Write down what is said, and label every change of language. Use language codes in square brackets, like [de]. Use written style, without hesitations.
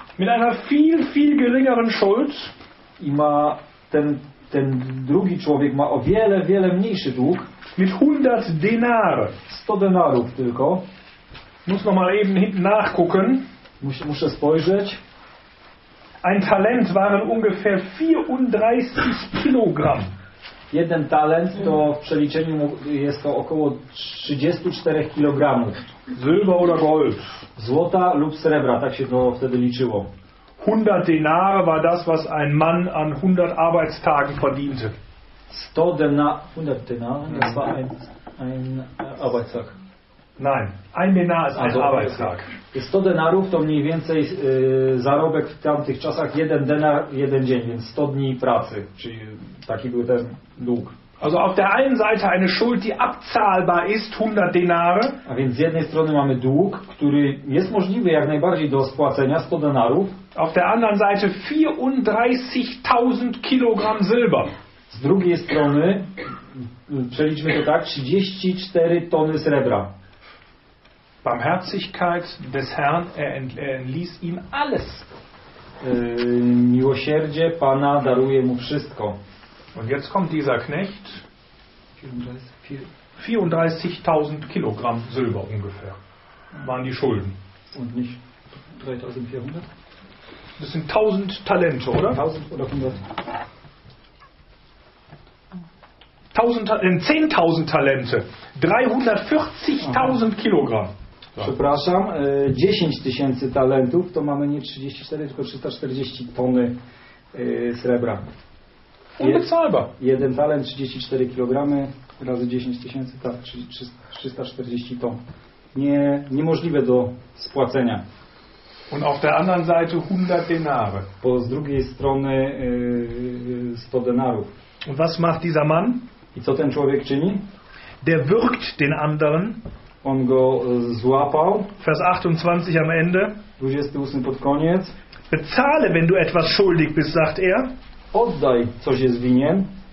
[de] Mit einer viel, viel geringeren Schuld. [pl] I ma ten drugi człowiek ma o wiele, wiele mniejszy dług. [de] Mit 100 denar. [pl] 100 denarów tylko. [de] Muss noch mal eben nachgucken. [pl] Muszę spojrzeć. [de] Ein Talent waren ungefähr 34 Kilogramm. [pl] Jeden talent to w przeliczeniu jest to około 34 kilogramów. [de] Silber oder Gold. [pl] Złota lub srebra, tak się to wtedy liczyło. [de] 100 denar war das, was ein Mann an 100 Arbeitstagen verdiente. 100 denar, 100 denar, das war ein Arbeitstag. Nein, ein Denar ist ein Arbeitstag. [pl] 100 denarów to mniej więcej zarobek w tamtych czasach, jeden denar, jeden dzień, więc 100 dni pracy, czyli taki był ten dług. [de] Also auf der einen Seite eine Schuld, die abzahlbar ist, 100 denare. [pl] A więc z jednej strony mamy dług, który jest możliwy jak najbardziej do spłacenia, 100 denarów. [de] Auf der anderen Seite 34.000 Kilogramm Silber. [pl] Z drugiej strony, przeliczmy to tak, 34 tony srebra. [de] Barmherzigkeit des Herrn, er ließ ihm alles. [pl] Miłosierdzie Pana daruje mu wszystko. [de] Und jetzt kommt dieser Knecht. 34.000 Kilogramm Silber ungefähr waren die Schulden. und nicht 3400. Das sind 1000 Talente, oder? 1000 oder 100. 10.000 Talente, 340.000 Kilogramm. [pl] Przepraszam, 10 tysięcy talentów, to mamy nie 34, tylko 340 tony srebra. [de] Unbezahlbar. [pl] Jeden talent, 34 kilogramy, razy 10 tysięcy, tak, 340 ton. Niemożliwe do spłacenia. [de] Und auf der anderen Seite 100 denare. [pl] Po z drugiej strony 100 denarów. [de] Und was macht dieser Mann? [pl] I co ten człowiek czyni? [de] Der wirkt den anderen. [pl] On go złapał. [de] Vers 28 am Ende. [pl] 28 pod koniec. [de] Bezahle, wenn du etwas schuldig bist, sagt er. [pl] Oddaj, coś jest winien.